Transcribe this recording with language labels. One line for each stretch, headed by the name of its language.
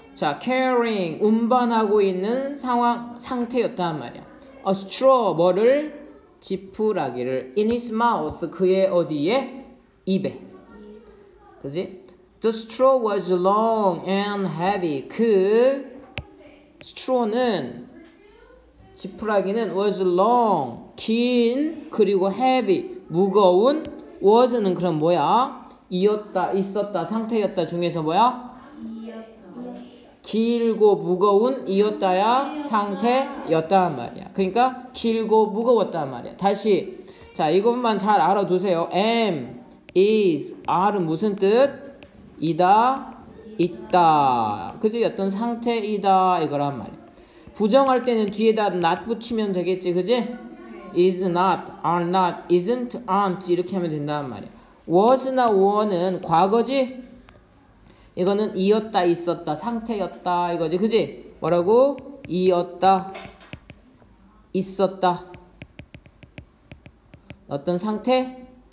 Korean: 자, carrying 운반하고 있는 상황 상태였단 말이야. A straw 뭐를? 지푸라기를.
English: In his mouth
Korean: 그의 어디에? 입에. 그지?
English: The straw was long and heavy.
Korean: 그 straw는 지푸라기는
English: was long,
Korean: 긴, 그리고 heavy, 무거운, was는 그럼 뭐야? 이었다, 있었다, 상태였다 중에서 뭐야? 길고 무거운, 이었다야 상태였단 말이야. 그러니까 길고 무거웠단 말이야. 다시, 자, 이것만 잘 알아두세요. am, is, are은 무슨 뜻? 이다, 있다. 그지? 어떤 상태이다 이거란 말이야. 부정할 때는 뒤에다 not 붙이면 되겠지, 그지?
English: is not, are not, isn't, aren't
Korean: 이렇게 하면 된단 말이야. was나 were는 과거지? 이거는 이었다, 있었다, 상태였다 이거지, 그지? 뭐라고? 이었다, 있었다, 어떤 상태였다.